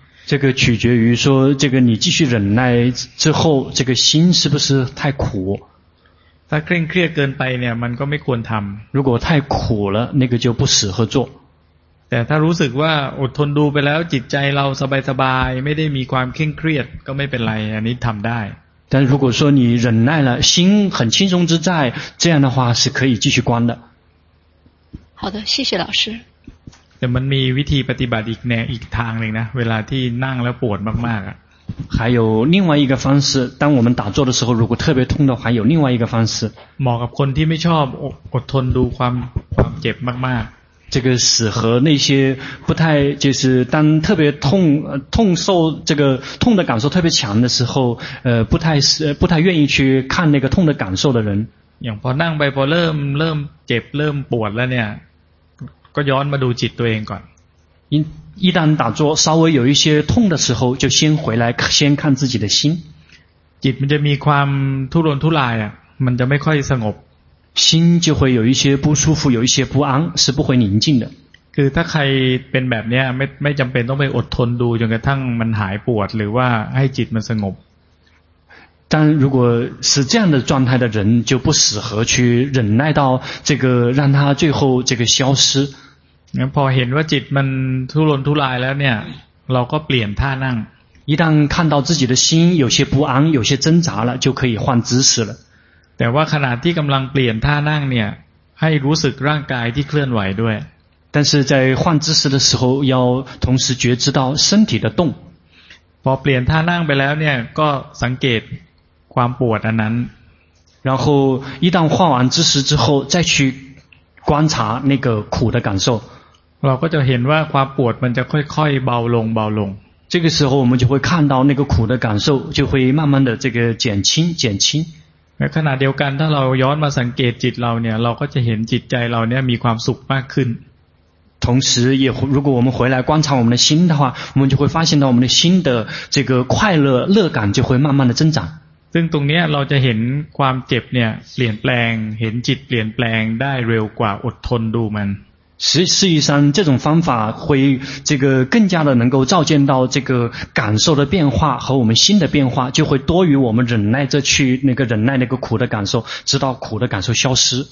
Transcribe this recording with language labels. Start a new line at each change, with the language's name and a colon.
Chinese: 这个取决于说这个你继续忍耐之后这个心是不是太苦
Thai: ถ้าเคร่งเครียดเกินไปเนี่ยมันก็ไม่ควรทำ
Chinese: 如果太苦了那个就不适合做
Thai: แต่ถ้ารู้สึกว่าอดทนดูไปแล้วจิตใจเราสบายๆไม่ได้มีความเคร่งเครียดก็ไม่เป็นไรอันนี้ทำได้
Chinese: 但如果说你忍耐了心很轻松之在这样的话是可以继续关的好的谢谢老师
Thai: แต่มันมีวิธีปฏิบัติอีกแนวอีกทางหนึ่งนะเวลาที่นั่งแล้วปวดมากๆ
Chinese: 还有另外一个方式当我们打坐的时候如果特别痛的话还有另外一个方式
Thai: เหมาะกับคนที่ไม่ชอบอดทนดูความเจ็บมาก
Chinese: ๆ这个适合那些不太就是当特别痛痛受这个痛的感受特别强的时候不太愿意去看那个痛的感受的人
Thai: อย่างพอนั่งไปพอเริ่มเจ็บเริ่มปวดแล้วเนี่ยก็ย้อนมาดูจิตตัวเองก่อน
Chinese: 一旦打坐稍微有一些痛的时候就先回来先看自己的心
Thai: จิตมันจะมีความทุรนทุรายอ่ะมันจะไม่ค่อยสงบ
Chinese: 心就会有一些不舒服有一些不安是不会宁静的
Thai: คือถ้าใครเป็นแบบเนี้ยไม่จำเป็นต้องไปอดทนดูจนกระทั่งมันหายปวดหรือว่าให้จิตมันสงบ
Chinese: 但如果是这样的状态的人就不适合去忍耐到这个让他最后这个消失
Thai: งั้นพอเห็นว่าจิตมันทุรนทุรายแล้วเนี่ยเราก็เปลี่ยนท่านั่ง
Chinese: 一旦看到自己的心有些不安有些挣扎了就可以换姿势了
Thai: แต่ว่าขณะที่กำลังเปลี่ยนท่านั่งเนี่ยให้รู้สึกร่างกายที่เคลื่อนไหวด้วย
Chinese: 但是在换姿势的时候要同时觉知到身体的动
Thai: พอเปลี่ยนท่านั่งไปแล้วเนี่ยก็สังเกตความปวดอันนั้น
Chinese: 然后一旦换完姿势之后再去观察那个苦的感受
Thai: เราก็จะเห็นว่าความปวดมันจะค่อยๆเบาลง
Chinese: 这个时候我们就会看到那个苦的感受就会慢慢的这个减轻
Thai: ในขณะเดียวกันถ้าเราย้อนมาสังเกตจิตเราเนี่ยเราก็จะเห็นจิตใจเราเนี่ยมีความสุขมากขึ้น
Chinese: 同时也如果我们回来观察我们的心的话我们就会发现到我们的心的这个快乐乐感就会慢慢的增长
Thai: ซึ่งตรงนี้เราจะเห็นความเจ็บเนี่ยเปลี่ยนแปลงเห็นจิตเปลี่ยนแปลงได้เร็วกว่าอดทนดูมัน สิ่งที่
Chinese: 这种方法会这个更加的能够照见到这个感受的变化和我们心的变化就会多于我们忍耐着去那个忍耐那个苦的感受直到苦的感受消失